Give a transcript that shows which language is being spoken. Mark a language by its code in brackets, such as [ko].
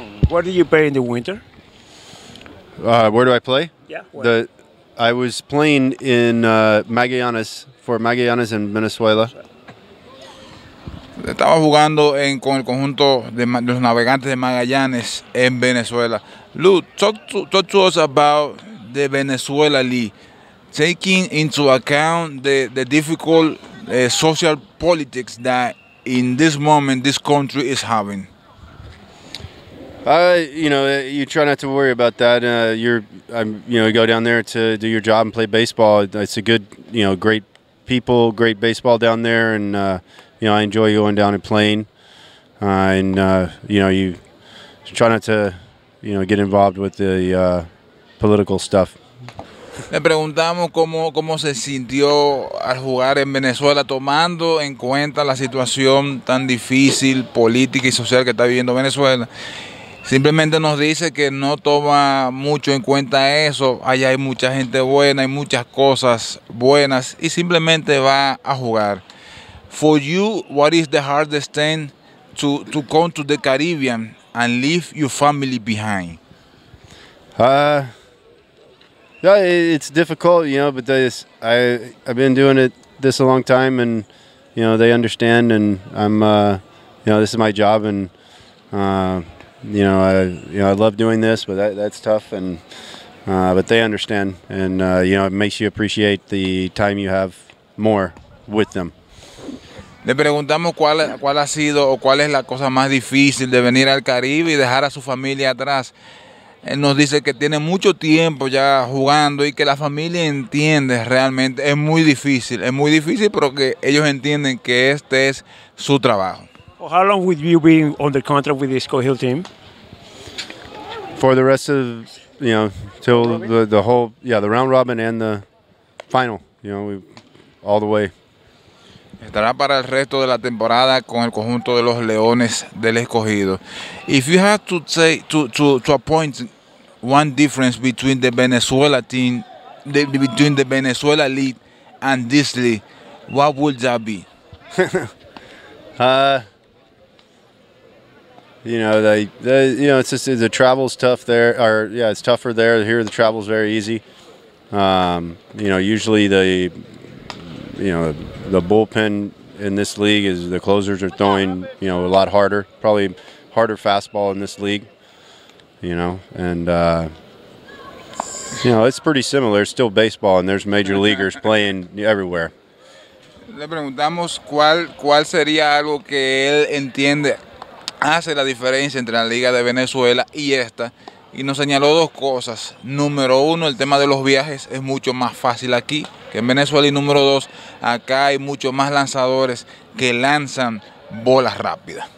[en] What did you play in the winter? Where do I play? Yeah. Where? I was playing in Magallanes, for Magallanes in Venezuela. [es] Estaba jugando con el conjunto de los navegantes de Magallanes en Venezuela. [en] Lew, talk to us about the Venezuela League, taking into account the difficult social politics that in this moment this country is having. You know, you try not to worry about that. You go down there to do your job and play baseball. It's a good, you know, great people, great baseball down there. And, you know, I enjoy going down and playing. You try not to, you know, get involved with the political stuff. [es] Le preguntamos cómo se sintió al jugar en Venezuela, tomando en cuenta la situación tan difícil, política y social que está viviendo Venezuela. Simplemente nos dice que no toma mucho en cuenta eso. Allá hay mucha gente buena, hay muchas cosas buenas, y simplemente va a jugar. [en] For you, what is the hardest thing to come to the Caribbean and leave your family behind? Yeah, it's difficult, you know, but I've been doing it this a long time, and you know they understand, and I'm you know this is my job, and I love doing this, but that's tough, and but they understand, and you know, it makes you appreciate the time you have more with them. [es] Le preguntamos cuál ha sido o cuál es la cosa más difícil de venir al Caribe y dejar a su familia atrás. Él nos dice que tiene mucho tiempo ya jugando y que la familia entiende realmente. Es muy difícil, pero que ellos entienden que este es su trabajo. [en] How long would you be on the contract with the Escogido team? For the rest of, you know, till the whole, yeah, the round robin and the final, you know, all the way. [es] Estará para el resto de la temporada con el conjunto de los Leones del Escogido. [en] If you had to say to appoint one difference between the Venezuela team, between the Venezuela league and this league, what would that be? You know, the travel's tough there. It's tougher there. Here, the travel's very easy. You know, usually the bullpen in this league is the closers are throwing, you know, a lot harder, probably harder fastball in this league. You know, and you know, it's pretty similar. It's still baseball, and there's major leaguers playing everywhere. [es] Le preguntamos cuál sería algo que él entiende hace la diferencia entre la Liga de Venezuela y esta. Y nos señaló dos cosas. Número uno, el tema de los viajes es mucho más fácil aquí que en Venezuela. Y número dos, acá hay mucho más lanzadores que lanzan bolas rápidas.